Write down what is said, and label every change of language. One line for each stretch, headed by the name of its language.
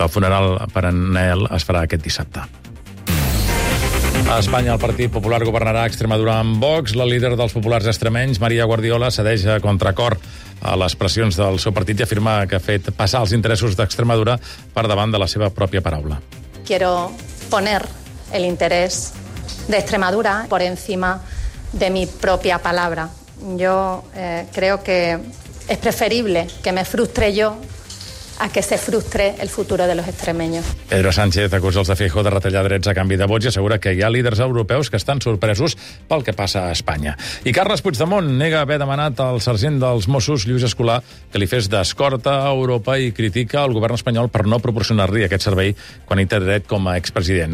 Catalan: El funeral per en Nel es farà aquest dissabte. A Espanya, el Partit Popular governarà Extremadura amb Vox. La líder dels populars extremenys, Maria Guardiola, cedeix a contracor a les pressions del seu partit i afirma que ha fet passar els interessos d'Extremadura per davant de la seva pròpia paraula.
Spanish: Quiero poner el interés de Extremadura por encima de mi propia palabra. Yo creo que es preferible que me frustre yo a que se frustre el futuro de los extremeños.
Catalan: Pedro Sánchez acusa els de Feijó de retallar drets a canvi de vots i assegura que hi ha líders europeus que estan sorpresos pel que passa a Espanya. I Carles Puigdemont nega haver demanat al sergent dels Mossos, Lluís Escolà, que li fes d'escorta a Europa i critica el govern espanyol per no proporcionar-li aquest servei quan hi té dret com a expresident.